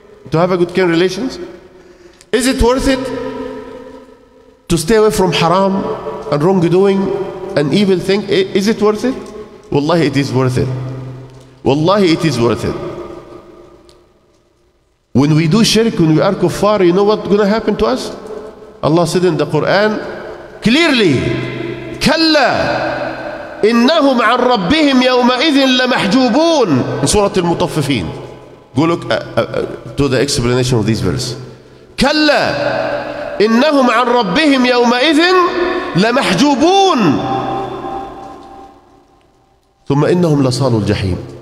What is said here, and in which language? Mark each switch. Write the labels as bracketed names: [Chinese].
[English] To have a good kin relations? Is it worth it to stay away from haram and wrongdoing and evil thing? Is it worth it? Wallahi, it is worth it. Wallahi, it is worth it. When we do shirk, when we are kuffar, you know what's going to happen to us? Allah said in the Quran, clearly, kalla. [Arabic] إنهم عن ربهم يومئذ لمحجوبون in سورة المطففين. [English] Go look to the explanation of this verse. [Arabic] كلا إنهم عن ربهم يومئذ لمحجوبون ثم إنهم لصالوا الجحيم.